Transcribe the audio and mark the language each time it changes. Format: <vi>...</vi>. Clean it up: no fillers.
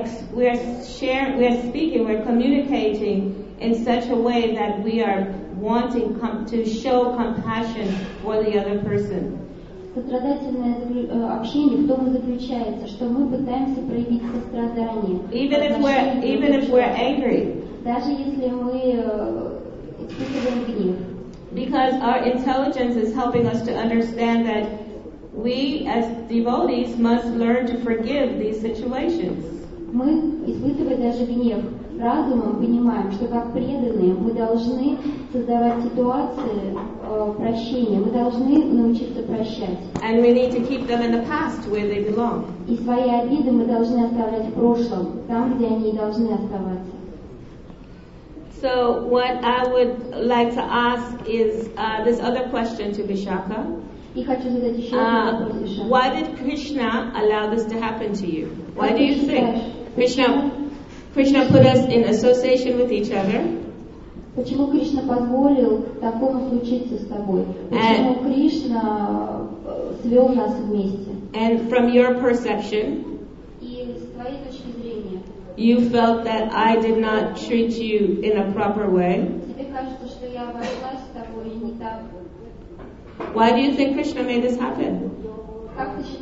<en>We're communicating in such a way that we are wanting to show compassion for the other person.</en> <ru>Сострадательное общение в том и заключается, что мы пытаемся проявить сострадание.</ru> <en>Even if we're angry.</en> <ru>Даже если мы испытываем гнев.</ru> <en>Because our intelligence is helping us to understand that we as devotees must learn to forgive these situations.</en> <ru>Мы, испытывая даже гнев разумом, понимаем, что как преданные мы должны создавать ситуации прощения, мы должны научиться прощать.</ru> <en>And we need to keep them in the past where they belong.</en> <ru>И свои обиды мы должны оставлять в прошлом, там, где они должны оставаться.</ru> <en>So what I would like to ask is this other question to Vishaka. Why did Krishna allow this to happen to you? Why do you think Krishna put us in association with each other?</en> <ru>Почему Кришна позволил такому случиться с тобой? Почему Кришна свел нас вместе?</ru> <en>And from your perception, you felt that I did not treat you in a proper way. Why do you think Krishna made this happen?</en>